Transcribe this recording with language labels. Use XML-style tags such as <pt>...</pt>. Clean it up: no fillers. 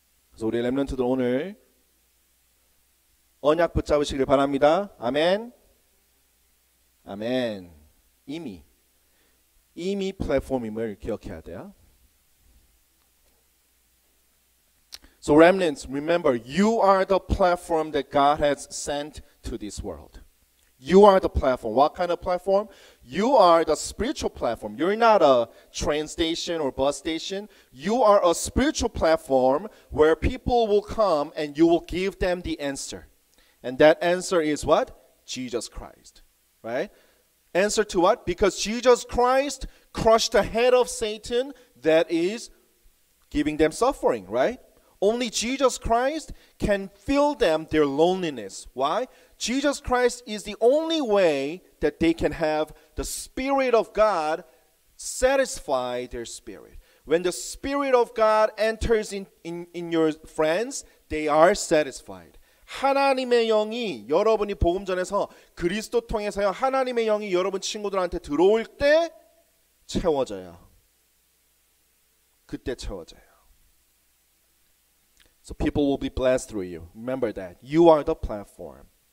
<ko>그래서 우리 렘넌트들 오늘 언약 붙잡으시길 바랍니다. 아멘. 아멘. 이미 플랫폼임을 기억해야 돼요.</ko> <en>So remnants, remember, you are the platform that God has sent to this world. You are the platform. What kind of platform? You are the spiritual platform. You're not a train station or bus station. You are a spiritual platform where people will come and you will give them the answer. And that answer is what? Jesus Christ. Right? Answer to what? Because Jesus Christ crushed the head of Satan that is giving them suffering, right? Only Jesus Christ can fill them their loneliness. Why? Jesus Christ is the only way that they can have the Spirit of God satisfy their spirit. When the Spirit of God enters in your friends, they are satisfied.</en> <ko>하나님의 영이 여러분이 복음 전에서 그리스도 통해서요 하나님의 영이 여러분 친구들한테 들어올 때 채워져요. 그때 채워져요.</ko> <en>So people will be blessed through you. Remember that. You are the platform.</en>